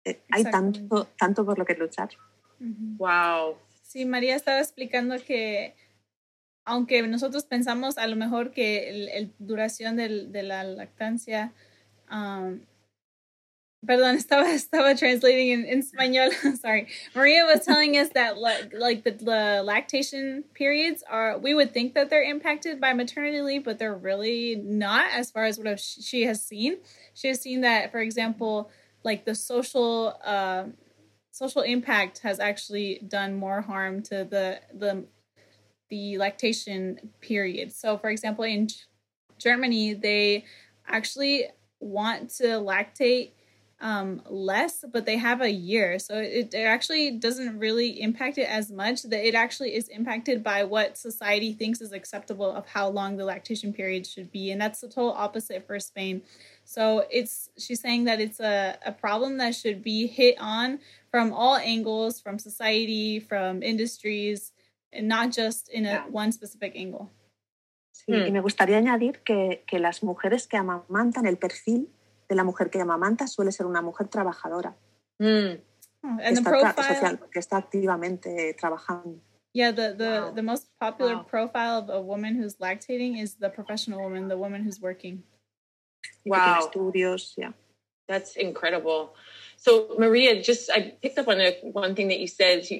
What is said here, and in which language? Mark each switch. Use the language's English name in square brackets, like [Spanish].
[Spanish] Hay tanto por lo que luchar. Wow. Sí, María estaba explicando que aunque nosotros pensamos a lo mejor que el duración de la lactancia, perdón, estaba translating en español. [English] Sorry, Maria was telling us that like the lactation periods are, we would think that they're impacted by maternity leave, but they're really not. As far as what she has seen, she has seen that, for example, like the social impact has actually done more harm to the lactation period. So, for example, in Germany, they actually want to lactate less, but they have a year. So it actually doesn't really impact it as much. That it actually is impacted by what society thinks is acceptable of how long the lactation period should be. And that's the total opposite for Spain. So she's saying that it's a problem that should be hit on from all angles, from society, from industries, and not just in one specific angle. [Spanish] Sí, y me gustaría añadir que las mujeres que amamantan, el perfil de la mujer que amamanta suele ser una mujer trabajadora. Que está activamente trabajando. [English] Yeah, the most popular profile of a woman who's lactating is the professional woman, the woman who's working. Wow. Estudios, yeah. That's incredible. So, Maria, I picked up on one thing that you said.